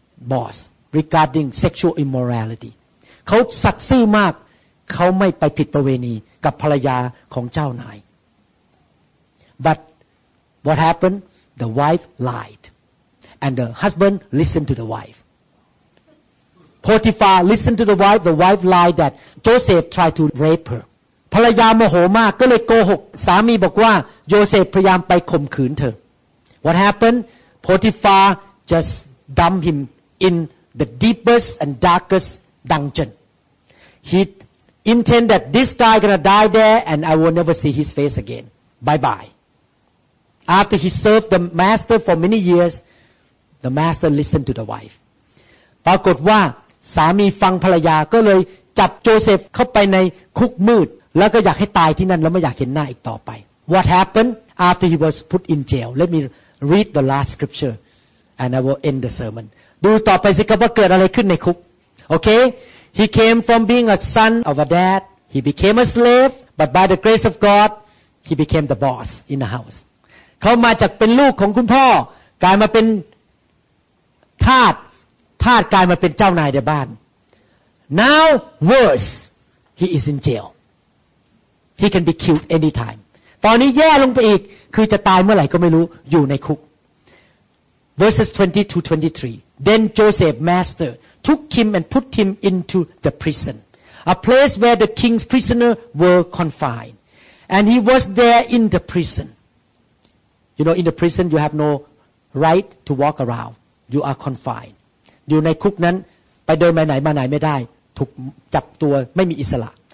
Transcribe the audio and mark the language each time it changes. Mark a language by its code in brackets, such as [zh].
[en] boss regarding sexual immorality [th] เขาสัตย์ซื่อมากเขาไม่ไปผิดประเวณีกับภรรยาของเจ้านาย [en] but what happened the wife lied and the husband listened to the wife Potiphar listened to the wife lied that Joseph tried to rape her [th] ภรรยาโมโหมากก็เลยโกหกสามีบอกว่าโยเซฟพยายามไปข่มขืนเธอ [en] What happened? Potiphar just dumped him in the deepest and darkest dungeon. He intended that this guy gonna die there and I will never see his face again. Bye bye. After he served the master for many years, the master listened to the wife. [th] ปรากฏว่าสามีฟังภรรยาก็เลยจับโยเซฟเข้าไปในคุกมืดแล้วก็อยากให้ตายที่นั่นแล้วไม่อยากเห็นหน้าอีกต่อไป [en] What happened after he was put in jail? Let me read the last scripture and I will end the sermon. [th] ดูต่อไปสิครับว่าเกิดอะไรขึ้นในคุก [en] Okay, he came from being a son of a dad. He became a slave, but by the grace of God, he became the boss in the house. [th] เขามาจากเป็นลูกของคุณพ่อกลายมาเป็นทาสทาสกลายมาเป็นเจ้านายในบ้าน [en] Now worse, he is in jail.He can be killed anytime. [th] ตอนนี้แย่ลงไปอีกคือจะตายเมื่อไหร่ก็ไม่รู้อยู่ในคุก [en] verses 22-23 then Joseph master took him and put him into the prison a place where the king's prisoner were confined and he was there in the prison you know in the prison you have no right to walk around you are confined [th] อยู่ในคุกนั้นไปเดินไปไหนมาไหนไม่ได้ถูกจับตัวไม่มีอิสระ